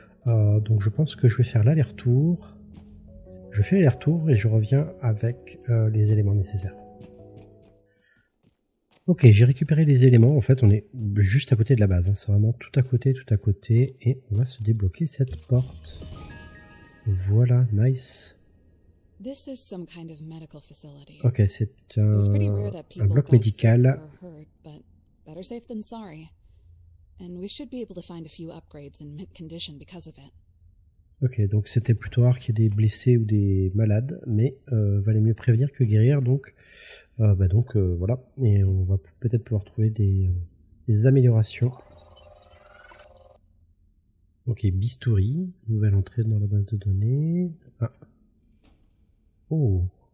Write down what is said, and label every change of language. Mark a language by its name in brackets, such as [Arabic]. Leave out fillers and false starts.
[French] Donc je pense que je vais faire l'aller-retour. Je fais l'aller-retour et je reviens avec les éléments nécessaires. Ok, j'ai récupéré les éléments. En fait, on est juste à côté de la base. Hein. C'est vraiment tout à côté, tout à côté. Et on va se débloquer cette porte. Voilà, nice. [English] This is some kind of medical facility. [French] Ok, c'est un bloc médical. [English] Hurt, but better safe than sorry. And we should be able to find a few upgrades in mint condition because of it. [French] Ok, donc c'était plutôt rare qu'il y ait des blessés ou des malades, mais valait mieux prévenir que guérir. Donc, voilà, et on va peut-être pouvoir trouver des améliorations. Ok, bistouri, nouvelle entrée dans la base de données. Ah. Oh.